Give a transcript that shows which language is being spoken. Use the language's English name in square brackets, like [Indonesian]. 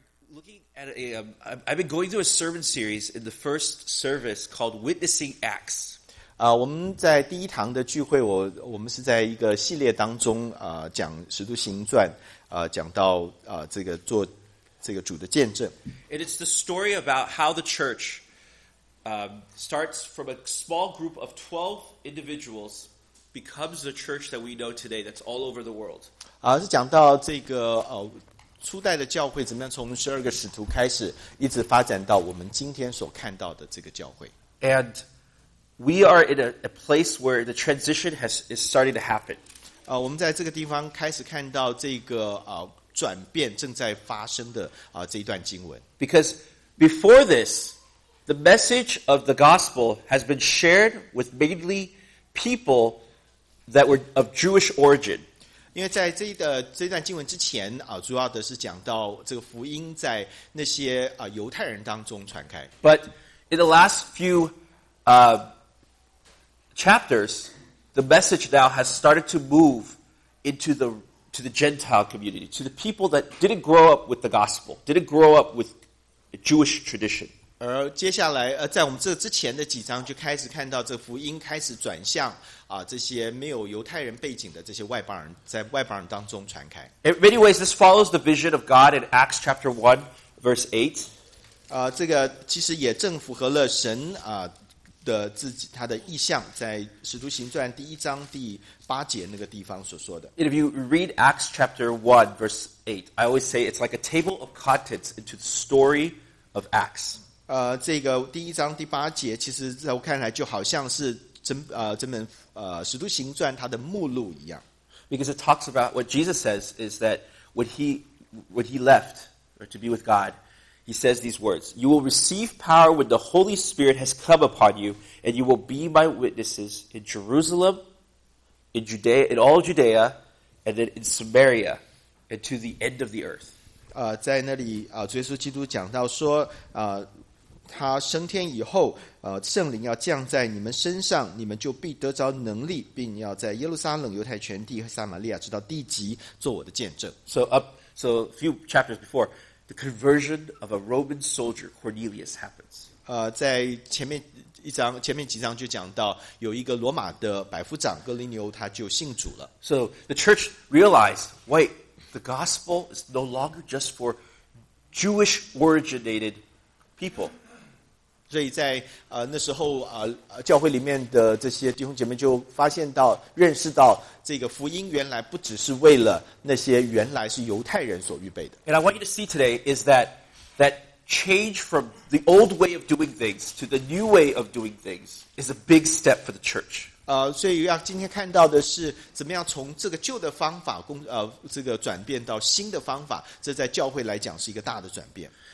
[English] looking at I've been going through a sermon series in the first service called Witnessing Acts. [Chinese] 我们在第一堂的聚会，我们是在一个系列当中讲《使徒行传》讲到这个做这个主的见证。 [English] And it's the story about how the church starts from a small group of 12 individuals becomes the church that we know today. That's all over the world. [Chinese] 是讲到这个初代的教会怎么样从十二个使徒开始，一直发展到我们今天所看到的这个教会。 [English] And we are in a place where the transition is starting to happen. [Chinese] 我们在这个地方开始看到这个转变正在发生的这一段经文。 [English] Because before this, the message of the gospel has been shared with mainly people that were of Jewish origin. [Chinese] 因为在这段经文之前主要的是讲到这个福音在那些犹太人当中传开。 [English] But in the last few chapters, the message now has started to move into the Gentile community, to the people that didn't grow up with the gospel, didn't grow up with Jewish tradition. [Chinese] 而接下来在我们这之前的几章就开始看到这福音开始转向这些没有犹太人背景的这些外邦人，在外邦人当中传开。 [English] In many ways, this follows the vision of God in Acts chapter 1, verse 8. [Chinese] 这个其实也正符合了神的自己他的意象，在《使徒行传》第一章第八节那个地方所说的。 [English] If you read Acts chapter 1, verse 8, I always say it's like a table of contents into the story of Acts. [Chinese] 这个第一章第八节，其实在我看来就好像是使徒行传它的目录一样。 [English] Because it talks about what Jesus says is that when he left or to be with God, he says these words, you will receive power when the Holy Spirit has come upon you, and you will be my witnesses in Jerusalem, in Judea, in all Judea, and then in Samaria, and to the end of the earth. [Chinese] 在那里主耶稣基督讲到说他升天以后圣灵要降在你们身上，你们就必得着能力，并要在耶路撒冷、犹太全地和撒玛利亚直到地极做我的见证。 [English] So a few chapters before, the conversion of a Roman soldier Cornelius happens. [Chinese] 在前面几章就讲到有一个罗马的百夫长哥林牛，他就信主了。 [English] So the church realized, wait, the gospel is no longer just for Jewish originated people. [Chinese] 所以在那时候教会里面的这些弟兄姐妹就发现到认识到这个福音原来不只是为了那些原来是犹太人所预备的。 [English] And I want you to see today is that change from the old way of doing things to the new way of doing things is a big step for the church. [Chinese] 所以要今天看到的是怎么样从这个旧的方法这个转变到新的方法，这在教会来讲是一个大的转变。